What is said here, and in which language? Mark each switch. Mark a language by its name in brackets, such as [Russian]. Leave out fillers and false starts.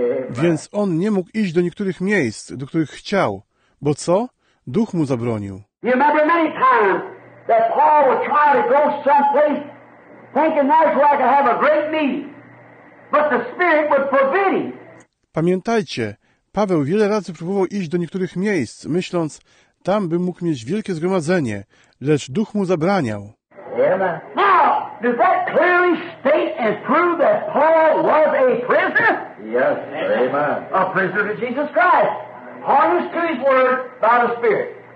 [Polish] Więc on nie mógł iść do niektórych miejsc, do których chciał. Bo co? Duch mu zabronił. [English] You remember many times that Paul would try to go someplace thinking that's where I could have a great meeting. But the Spirit would forbid him. [Polish] Pamiętajcie, Paweł wiele razy próbował iść do niektórych miejsc, myśląc, tam bym mógł mieć wielkie zgromadzenie, lecz duch mu zabraniał. [English] Now, does that clearly state and prove that Paul was a prisoner? Yes, amen. A prisoner of Jesus Christ, harnessed to his word by the Spirit.